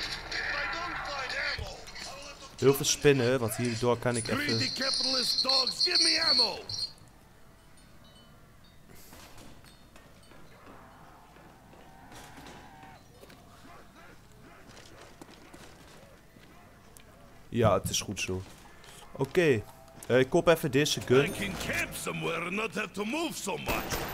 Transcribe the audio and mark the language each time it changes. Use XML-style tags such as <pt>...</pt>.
<en>If I don't find ammo, I will have to kill.</en> <nl>Heel veel spinnen, want hierdoor kan ik even.</nl> <en>Greedy capitalist dogs, give me ammo!</en> <nl>Ja, het is goed zo. Oké, ik koop even deze gun.</nl> <en>I can camp somewhere and not have to move so much.</en>